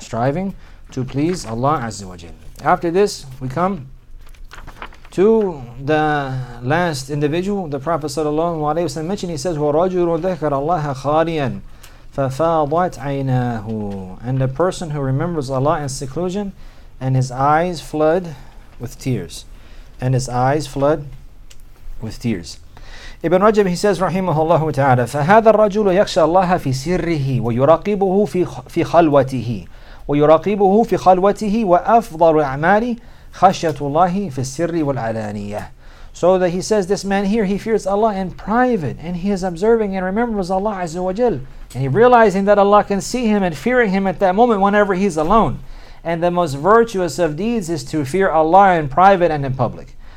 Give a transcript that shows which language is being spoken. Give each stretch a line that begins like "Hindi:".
English: Striving to please Allah Azza wa Jalla. After this, we come to the last individual, the Prophet sallallahu alayhi wa sallam mentioned, he says,
Arabic: وَرَجُلٌ ذَكَرَ اللَّهَ خَالِيًا فَفَاضَتْ عَيْنَاهُ.
English: And the person who remembers Allah in seclusion, and his eyes flood with tears. And his eyes flood with tears. Ibn Rajab, he says, rahimahullah ta'ala,
Arabic: فَهَذَا الرَّجُلُ يَخْشَى اللَّهَ فِي سِرِّهِ وَيُرَقِبُهُ فِي خَلْوَتِهِ وَيُرَقِبُهُ فِي خَلْوَتِهِ وَأَفْضَلُ أَعْمَالِ خَشْيَةُ اللَّهِ فِي السِّرِّ وَالْعَلَانِيَةِ.
English: So that he says, this man here, he fears Allah in private, and he is observing and remembers Allah Azza wa Jal, and he realizing that Allah can see him and fearing him at that moment whenever he's alone. And the most virtuous of deeds is to fear Allah in private and in public.